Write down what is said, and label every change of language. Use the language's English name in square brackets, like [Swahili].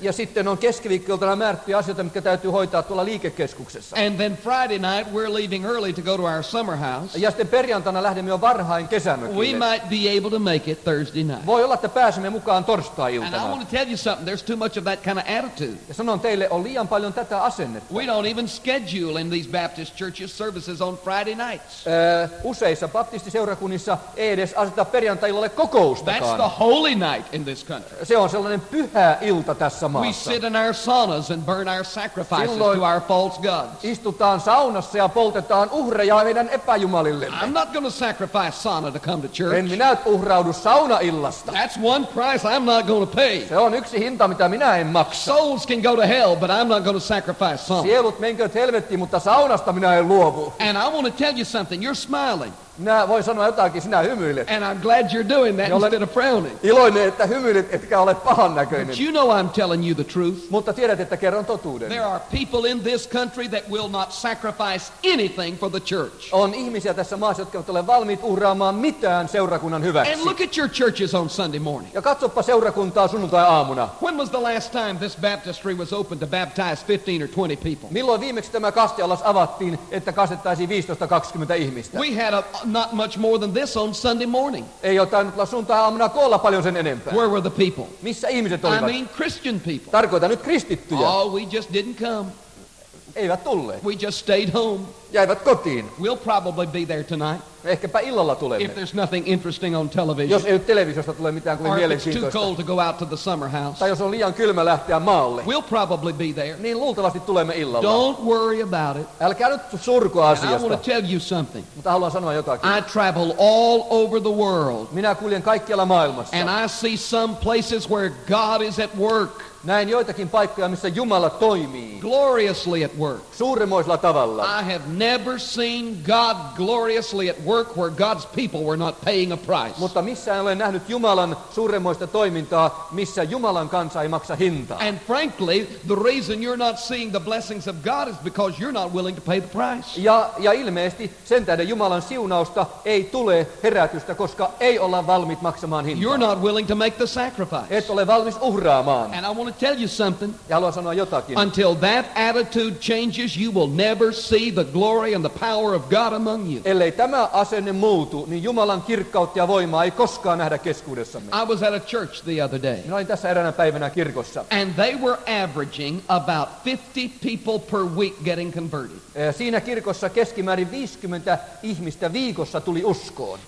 [Finnish] Ja sitten on keskiviikkoiltana määrättyjä asioita, mitkä täytyy hoitaa tuolla liikekeskuksessa. [English] And then Friday night we're leaving early to go to our summer house. [Finnish] Ja sitten perjantaina lähdemme jo varhain kesämökille. [English] We might be able to make it Thursday night. [Finnish] Voi olla, että pääsemme mukaan torstai-iltana. [English] And I want to tell you something. There's too much of that kind of attitude. [Finnish] Ja sanon teille, on liian paljon tätä asennetta. [English] We don't even schedule in these Baptist churches services on Friday nights. [Finnish] Useissa baptistiseurakunnissa ei edes aseta perjantai-illalle kokoustakaan. [English] That's the holy night in this country. [Finnish] Se on sellainen pyhä ilta tässä maassa. [English] We sit in our saunas and burn our sacrifices [Finnish] silloin [English] to our false gods. [Finnish] Istutaan saunassa ja poltetaan uhreja meidän epäjumalillemme. [English] I'm not going to sacrifice sauna to come to church. [Finnish] En minä uhraudu saunaillasta. [English] That's one price I'm not going to pay. [Finnish] Se on yksi hinta, mitä minä en maksa. [English] Souls can go to hell, but I'm not going to sacrifice sauna. [Finnish] Sielut menkööt helvettiin, mutta saunasta minä en luovu. [English] And I want to tell you something. You're smiling. [Finnish] Minä voin sanoa jotakin, sinä hymyilet. [English] And I'm glad you're doing that instead of frowning. [Finnish] Iloinen, että hymyilet, etkä ole pahan näköinen. [English] But you know I'm telling you the truth. [Finnish] Mutta tiedät, että kerron totuuden. [English] There are people in this country that will not sacrifice anything for the church. [Finnish] On ihmisiä tässä maassa, jotka eivät ole valmiit uhraamaan mitään seurakunnan hyväksi. [English] And look at your churches on Sunday morning. [Finnish] Ja katsoppa seurakuntaa sunnuntai aamuna. [English] When was the last time this baptistry was open to baptize 15 or 20 people? [Finnish] Milloin viimeksi tämä kastiallas avattiin, että kastettaisiin 15-20 ihmistä? [English] We had a not much more than this on Sunday morning. [Finnish] Ei ole tainnut olla sunnuntaiaamuna koolla paljon sen enempää. [English] Where were the people? [Finnish] Missä ihmiset olivat? [English] I mean Christian people. [Finnish] Tarkoitan nyt kristittyjä. [English] Oh, we just didn't come. [Finnish] Eivät tulleet. [English] We just stayed home. [Finnish] Jäivät kotiin. [English] We'll probably be there tonight. [Finnish] Ehkäpä illalla tulemme. [English] If there's nothing interesting on television. [Finnish] Jos ei televisiosta tule mitään kovin mielenkiintoista. [English] Or if it's too cold to go out to the summer house. [Finnish] Tai jos on liian kylmä lähteä maalle. [English] We'll probably be there. [Finnish] Niin luultavasti tulemme illalla. [English] Don't worry about it. [Finnish] Älkää nyt surku asiasta. [English] I want to tell you something. [Finnish] Mutta haluan sanoa jotakin. [English] I travel all over the world. [Finnish] Minä kuljen kaikkialla maailmassa. [English] And I see some places where God is at work. [Finnish] Näen joitakin paikkoja, missä Jumala toimii. [English] Gloriously at work. [Finnish] Suuremoisella tavalla. [English] I have never seen God gloriously at work where God's people were not paying a price. [Finnish] Mutta missä en ole nähnyt Jumalan suuremoista toimintaa, missä Jumalan kansa ei maksa hintaa. [English] And frankly, the reason you're not seeing the blessings of God is because you're not willing to pay the price. [Finnish] Ja ilmeisesti sen tähden Jumalan siunausta ei tule herätystä, koska ei olla valmiit maksamaan hintaa. [English] You're not willing to make the sacrifice. [Finnish] Et ole valmis uhraamaan. [English] I want to tell you something. [Finnish] Ja haluan sanoa jotakin. [English] Until that attitude changes, you will never see the glory and the power of God among you. [Finnish] Ellei tämä asenne muutu, niin Jumalan kirkkautta ja voimaa ei koskaan nähdä keskuudessamme. [English] I was at a church the other day. [Finnish] Minä olin tässä eräänä päivänä kirkossa. [English] And they were averaging about 50 people per week getting converted. [Finnish] Siinä kirkossa keskimäärin 50 ihmistä viikossa tuli uskoon.